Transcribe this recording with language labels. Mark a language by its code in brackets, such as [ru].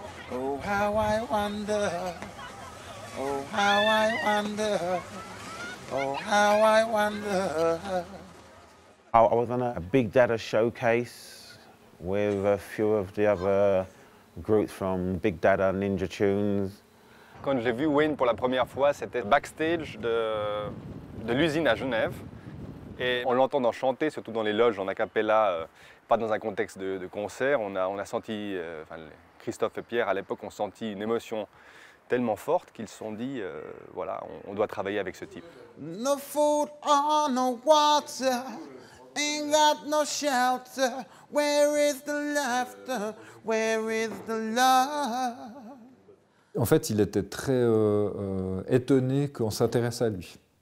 [en] Oh, how I wonder. Oh, how I wonder. Oh, how I wonder. I was on a Big Data showcase with a few of the other groups from Big Data Ninja Tunes. [fr] Quand j'ai vu Wayne pour la première fois, c'était backstage de l'usine à Genève. Et en l'entendant chanter, surtout dans les loges, en a cappella, pas dans un contexte de concert, on a senti, Christophe et Pierre à l'époque, ont senti une émotion tellement forte qu'ils se sont dit, voilà, on doit travailler avec ce type. [en] No food or no water, ain't got no shelter, where is the laughter, where is the love? [fr] En fait, il était très étonné qu'on s'intéresse à lui.